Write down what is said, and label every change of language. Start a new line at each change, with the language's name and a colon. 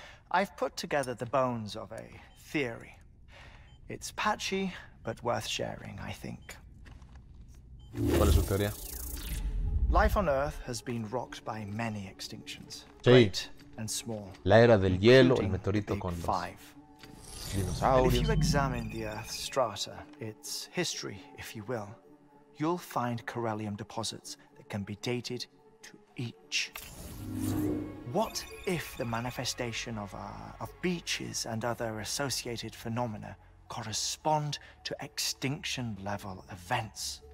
English: I've put together the bones of a theory. It's patchy, but worth sharing, I think.
Spanish: ¿Cuál es su teoría?
English: Life on Earth has been rocked by many extinctions, great and small.
Spanish: La era del hielo, el meteorito con los dinosaurios.
English: If you examine the Earth's strata, its history, if you will, you'll find Corellium deposits that can be dated to each. What if the manifestation of beaches and other associated phenomena correspond to extinction level events?